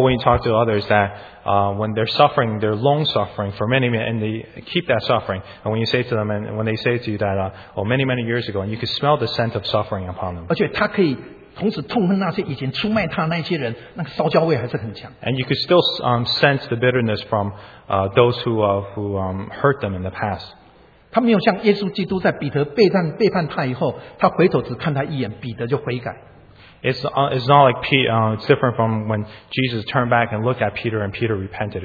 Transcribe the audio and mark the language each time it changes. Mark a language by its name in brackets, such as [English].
[English] when you talk to others that when they're suffering, they're long suffering for many men, and they keep that suffering. And when you say to them, and when they say to you that, oh, many many years ago, and you can smell the scent of suffering upon them. [Chinese] 而且他可以。同时痛恨那些以前出卖他的那些人，那个烧焦味还是很强。 [English] And you could still sense the bitterness from those who hurt them in the past. [Chinese] 他没有像耶稣基督在彼得背叛他以后，他回头只看他一眼，彼得就悔改。 [English] It's not like Peter, it's different from when Jesus turned back and looked at Peter and Peter repented.